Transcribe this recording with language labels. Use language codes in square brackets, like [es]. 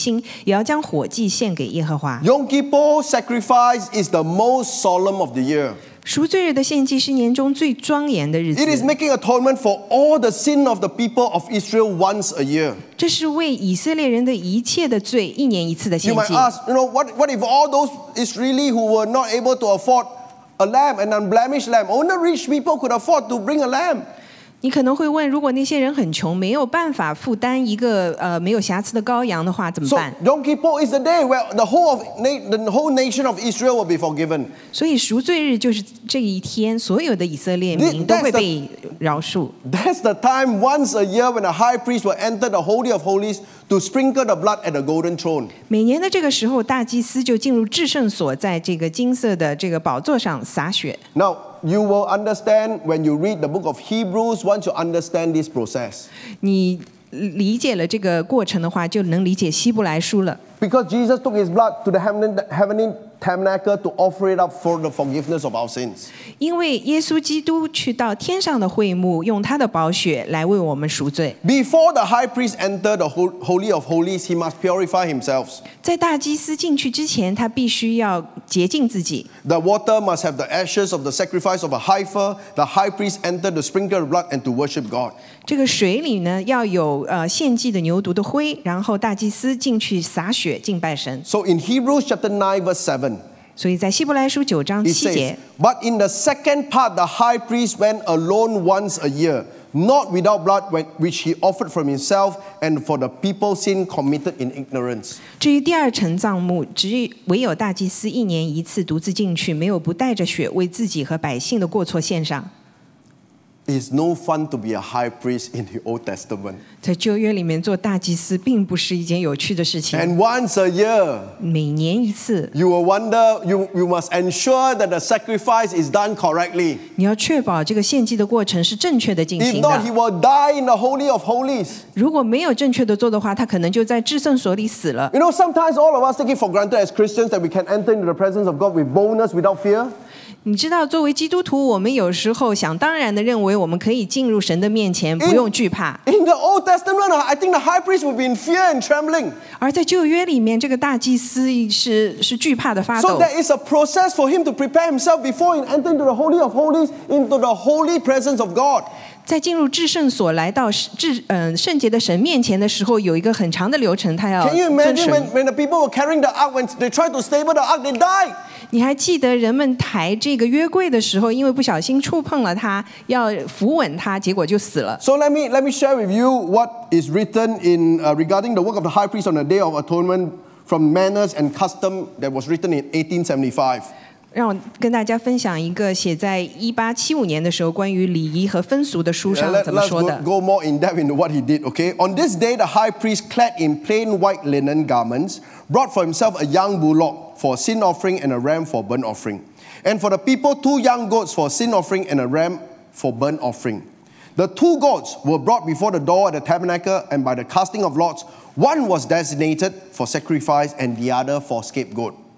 [zh] 7月初十是赎罪日，你们要守为圣会，并要刻骨己心，也要将火祭献给耶和华。 [en] Yom Kippur sacrifice is the most solemn of the year. [zh] 赎罪日的献祭是年中最庄严的日子。 [en] It is making atonement for all the sin of the people of Israel once a year. [zh] 这是为以色列人的一切的罪一年一次的献祭。 [en] You might ask, you know, what if all those Israeli who were not able to afford a lamb, an unblemished lamb, only rich people could afford to bring a lamb? [zh] 你可能会问，如果那些人很穷，没有办法负担一个没有瑕疵的羔羊的话，怎么办 [en] ？So Yom Kippur is the day where the whole nation of Israel will be forgiven. [zh] 所以赎罪日就是这一天，所有的以色列民都会被饶恕。 [en] That's the time once a year when a high priest will enter the Holy of Holies to sprinkle the blood at the golden throne. [zh] 每年的这个时候，大祭司就进入至圣所，在这个金色的这个宝座上洒血。 [en] Now,You will understand when you read the book of Hebrews. Once you understand this process, [zh] 你理解了这个过程的话，就能理解希伯来书了。 [en] Because Jesus took His blood to the heavenly tabernacle to offer it up for the forgiveness of our sins. [zh] 因为耶稣基督去到天上的会幕，用他的宝血来为我们赎罪。 [en] Before the high priest entered the holy of holies, he must purify himself. [zh] 在大祭司进去之前，他必须要洁净自己。 [en] The water must have the ashes of the sacrifice of a heifer. The high priest entered to sprinkle the blood and to worship God. [zh] 这个水里呢要有献祭的牛犊的灰，然后大祭司进去洒血敬拜神。 [en] So in Hebrews chapter 9 verse 7. [zh] 所以在希伯来书九章七节。 [en] But in the second part, the high priest went alone once a year, not without blood, which he offered from himself and for the people's sin committed in ignorance. [zh] 至于第二层帐幕，唯有大祭司一年一次独自进去，没有不带着血为自己和百姓的过错献上。 [en] It's no fun to be a high priest in the Old Testament. [zh] 在旧约里面做大祭司并不是一件有趣的事情。 [en] And once a year, [zh] 每年一次 [en] ，you will wonder. You must ensure that the sacrifice is done correctly. [zh] 你要确保这个献祭的过程是正确的进行的。 [en] If not, he will die in the Holy of Holies. [zh] 如果没有正确的做的话，他可能就在至圣所里死了。 [en] You know, sometimes all of us take it for granted as Christians that we can enter into the presence of God with boldness without fear. [zh] 你知道，作为基督徒，我们有时候想当然的认为我们可以进入神的面前，不用惧怕。 [en] In the Old Testament, I think the high priest would be in fear and trembling. [zh] 而在旧约里面，这个大祭司是惧怕的发抖。 [en] So there is a process for him to prepare himself before he enters into the Holy of Holies, into the holy presence of God. [zh] 在进入至圣所，来到圣洁的神面前的时候，有一个很长的流程，他要遵守。 [en] Can you imagine when the people were carrying the ark, when they tried to stable the ark, they died? [zh] 你还记得人们抬这个约柜的时候，因为不小心触碰了它，要扶稳它，结果就死了。 [en] So let me share with you what is written in regarding the work of the high priest on the Day of Atonement from manners and custom that was written in 1875. [zh] 让我跟大家分享一个写在1875年的时候关于礼仪和风俗的书上怎么说的。 [en] Let's go more in depth into what he did. Okay, on this day, the high priest clad in plain white linen garments brought for himself a young bullock. For sin offering and a ram for burnt offering. And for the people, two young goats for sin offering and a ram for burnt offering. The two goats were brought before the door at the tabernacle, and by the casting of lots, one was designated for sacrifice and the other for scapegoat.